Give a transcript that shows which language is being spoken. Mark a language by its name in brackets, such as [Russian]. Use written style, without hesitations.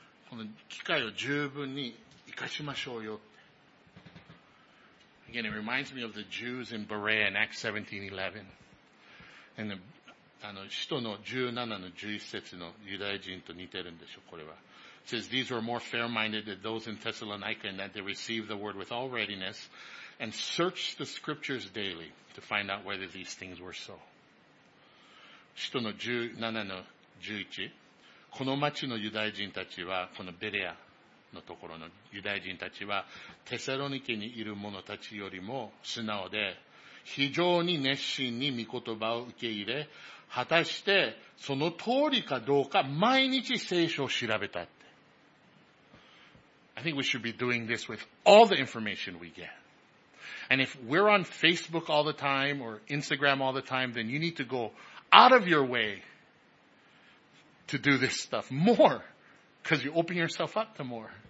[Japanese] この機会を十分に活かしましょうよって。 [English] Again, it reminds me of the Jews in Berea in Acts 17:11. [Japanese] あの、使徒の17の11節のユダヤ人と似てるんでしょ、これは。 [English] It says, these were more fair-minded than those in Thessalonica in that they received the word with all readiness and searched the scriptures daily to find out whether these things were so. [Japanese] 使徒の17の11 この町のユダヤ人たちは、このベレアのところのユダヤ人たちは、テサロニケにいる者たちよりも素直で非常に熱心に御言葉を受け入れ、果たしてその通りかどうか毎日聖書を調べた。 [English] I think we should be doing this with all the information we get. And if we're on Facebook all the time or Instagram all the time, then you need to go out of your way to do this stuff more because you open yourself up to more.